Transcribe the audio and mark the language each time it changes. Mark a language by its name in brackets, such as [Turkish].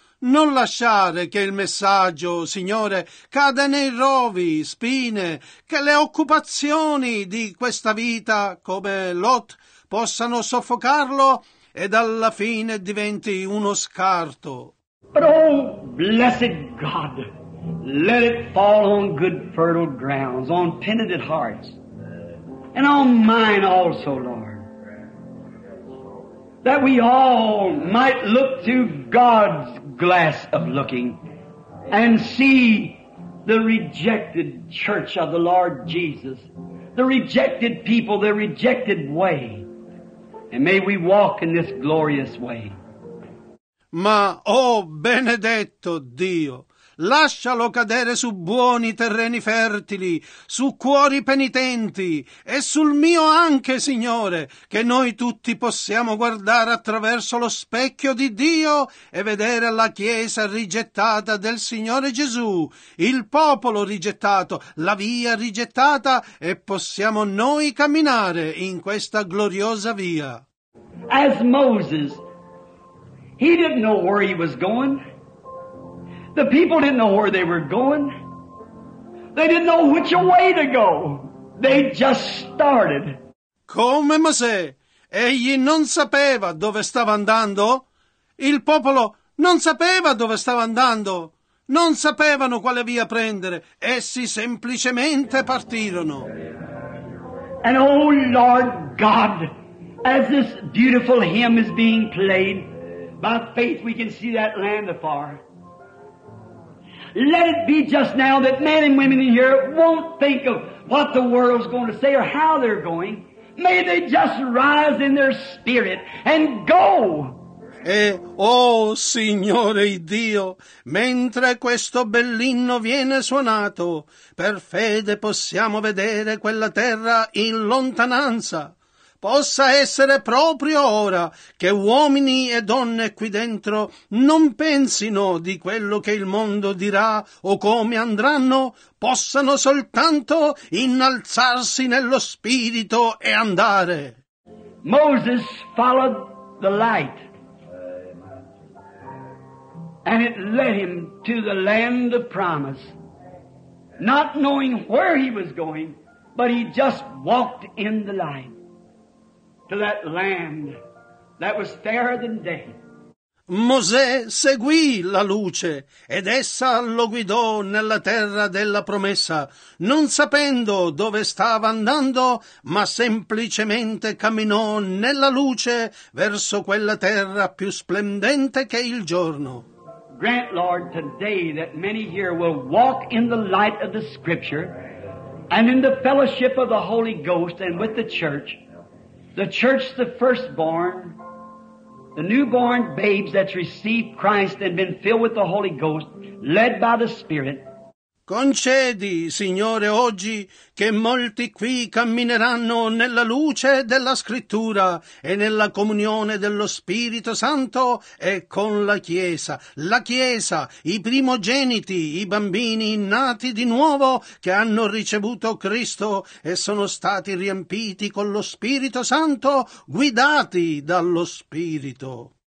[Italian] Non lasciare che il messaggio, Signore, cada nei rovi, spine, che le occupazioni di questa vita, come Lot, possano soffocarlo ed alla fine diventi uno scarto. [English] But oh, blessed God! Let it fall on good fertile grounds, on penitent hearts, and on mine also, Lord, that we all might look through God's glass of looking and see the rejected church of the Lord Jesus, the rejected people, the rejected way, and may we walk in this glorious way. [Italian] Ma, oh, benedetto Dio, lascialo cadere su buoni terreni fertili, su cuori penitenti e sul mio anche, Signore, che noi tutti possiamo guardare attraverso lo specchio di Dio e vedere la Chiesa rigettata del Signore Gesù, il popolo rigettato, la via rigettata, e possiamo noi camminare in questa gloriosa via. [English] As Moses, he didn't know where he was going. The people didn't know where they were going. They didn't know which way to go. They just started. [Italian] Come Mosè, egli non sapeva dove stava andando. Il popolo non sapeva dove stava andando. Non sapevano quale via prendere. Essi semplicemente partirono. [English] And oh Lord God, as this beautiful hymn is being played, by faith we can see that land afar. Let it be just now that men and women in here won't think of what the world's going to say or how they're going. May they just rise in their spirit and go. [Italian] E, oh Signore Dio, mentre questo bell'inno viene suonato, per fede possiamo vedere quella terra in lontananza. Possa essere proprio ora che uomini e donne qui dentro non pensino di quello che il mondo dirà o come andranno, possano soltanto innalzarsi nello spirito e andare. [English] Moses followed the light, and it led him to the land of promise, not knowing where he was going, but he just walked in the light. To that land that was fairer than day. [Italian] Mosè seguì la luce ed essa lo guidò nella terra della promessa, non sapendo dove stava andando, ma semplicemente camminò nella luce verso quella terra più splendente che il giorno. [English] Grant, Lord, today that many here will walk in the light of the Scripture and in the fellowship of the Holy Ghost and with the Church. The church, the firstborn, the newborn babes that received Christ and been filled with the Holy Ghost, led by the Spirit. [Italian] Concedi, Signore, oggi che molti qui cammineranno nella luce della Scrittura e nella comunione dello Spirito Santo e con la Chiesa. La Chiesa, i primogeniti, i bambini nati di nuovo che hanno ricevuto Cristo e sono stati riempiti con lo Spirito Santo, guidati dallo Spirito.